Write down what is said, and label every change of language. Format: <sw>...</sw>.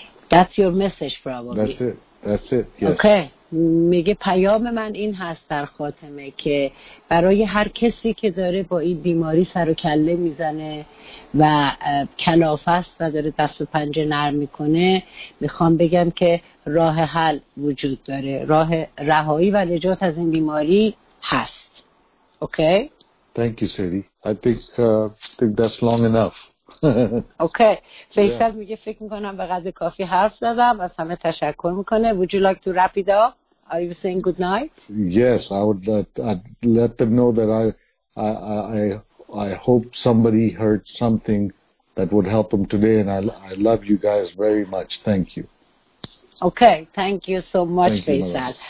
<en>That's your message, probably. That's it. Yes. Okay.</en> <fa>میگه پیام من این هست در خاتمه که برای هر کسی که داره با این بیماری سر و کله میزنه و کلافه است و داره دست و پنجه نرم میکنه، میخوام بگم که راه حل وجود داره، راه رهایی و نجات از این بیماری هست.</fa> <en>Okay? Thank you, Siri. I think that's long enough. Okay. Faisal yeah.</en> <fa>میگه فکر میکنم به قدر کافی حرف زدم. از همه تشکر میکنه.</fa> <en>Would you like to wrap it up? Are you saying good night? Yes, I would. I'd let them know that I hope somebody heard something that would help them today. And I love you guys very much. Thank you. Okay. Thank you so much, Faisal.</en>